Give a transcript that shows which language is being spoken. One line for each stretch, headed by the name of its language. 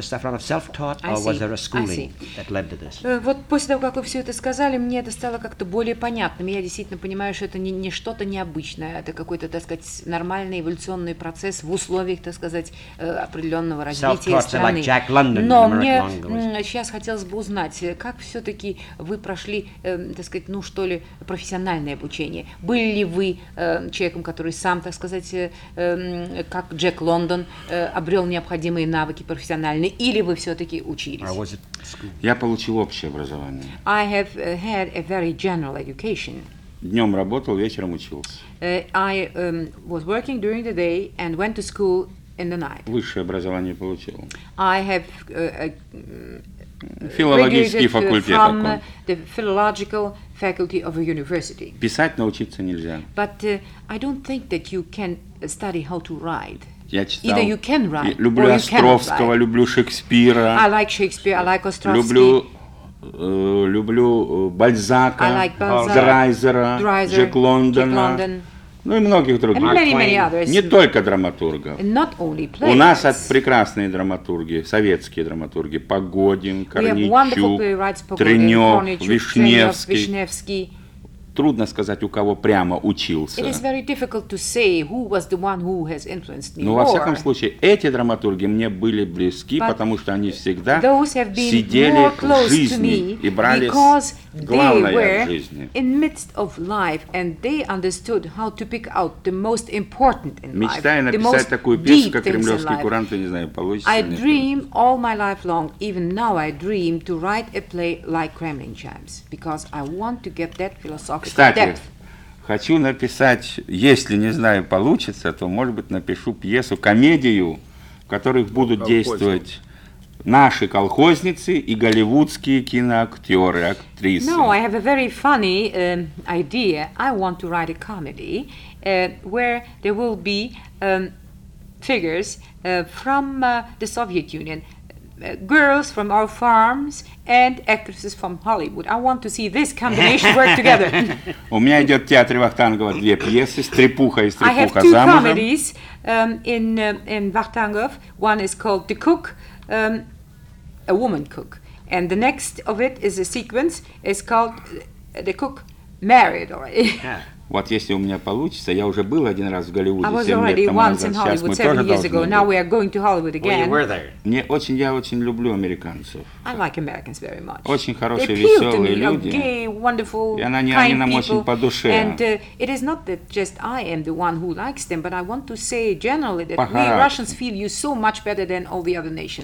English: Safranov self-taught, was there a schooling that led to this?
Russian: Вот после того, как вы все это сказали, мне это стало как-то более понятным. Я действительно понимаю, что это не что-то необычное, это какой-то, так сказать, нормальный эволюционный процесс в условиях, так сказать, определенного развития страны.
English: Like Jack London,
Russian: но мне сейчас хотелось бы узнать, как все-таки вы прошли, так сказать, ну что ли, профессиональное обучение? Были ли вы человеком, который сам, так сказать, как Джек Лондон, обрел необходимость? Навыки профессиональные, или вы все-таки учились? Я получил общее образование.
English: I have had a very general education.
Russian: Днем работал, вечером учился.
English: I was working during the day and went to school in the night.
Russian: Высшее образование получил.
English: I have
Russian: филологический факультет.
English: From the philological faculty of a university.
Russian: Писать научиться нельзя.
English: But I don't think that you can study how to write.
Russian: Я читал.
English: Either you can write,
Russian: я люблю
English: or you
Russian: Островского,
English: write.
Russian: Люблю Шекспира.
English: I like Shakespeare, I like Островский.
Russian: Люблю Бальзака,
English: I like Balzac,
Russian: Драйзера, Дрейзер, Джек Лондона.
English: Jack London.
Russian: Ну и многих других.
English: Many
Russian: не только драматургов.
English: Not only players.
Russian: У нас прекрасные драматурги, советские драматурги. Погодин, Корнейчук, Тренёв, Вишневский. Трудно сказать, у кого прямо учился.
English: It is very difficult to say who was the one who has influenced me.
Russian: Но во всяком случае, эти драматурги мне были близки, потому что они всегда сидели в жизни и брали главное в жизни.
English: In midst of life, and they understood how to pick out the most important in life.
Russian: Мечтаю написать такую песню, как «Кремлевские куранты», не знаю, получится.
English: I dream all my life long, even now I dream to write a play like Kremlin Chimes, because I want to get that philosophical.
Russian: Кстати, хочу написать, если, не знаю, получится, то, может быть, напишу пьесу, комедию, в которых будут действовать наши колхозницы и голливудские киноактеры, актрисы.
English: No, I have a very funny idea. I want to write a comedy where there will be figures from the Soviet Union. Girls from our farms and actresses from Hollywood. I want to see this combination work together.
Russian: У меня идет в театре Вахтангова две пьесы «Стрепуха» и «Стрепуха замужем».
English: I have two comedies in Vakhtangov. One is called The Cook, a woman cook. And the next of it is a sequence, is called The Cook Married already.
Russian: Вот если у меня получится, я уже был один раз в Голливуде 7 лет тому назад.
English: I was already once in Hollywood 7 years ago. Now we are going to Hollywood again. Well, you were there.
Russian: Я очень люблю американцев.
English: I like Americans very much.
Russian: Очень хорошие, веселые люди.
English: They appeal to me, gay, wonderful, kind people.
Russian: И они нам очень по душе.
English: And it is not that just I am the one who likes them, but I want to say generally that we Russians feel you so much better than all the other nations.